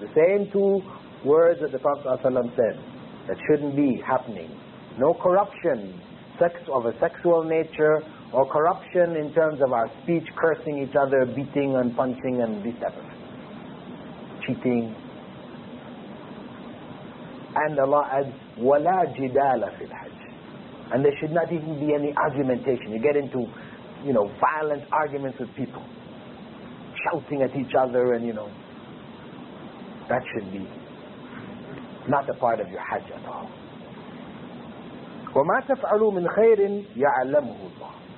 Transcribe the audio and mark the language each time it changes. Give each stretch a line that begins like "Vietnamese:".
English: The same two words that the Prophet ﷺ said that shouldn't be happening. No corruption of a sexual nature, or corruption in terms of our speech, cursing each other, beating and punching and this type of cheating. And Allah adds,
Arabic: وَلَا جِدَالَ فِي الْحَجِ.
English: And there should not even be any argumentation. You get into, you know, violent arguments with people, shouting at each other, and you know, that should be not a part of your Hajj at all.
Arabic: وَمَا تَفْعَلُوا مِنْ خَيْرٍ يَعْلَمُهُ اللَّهُ.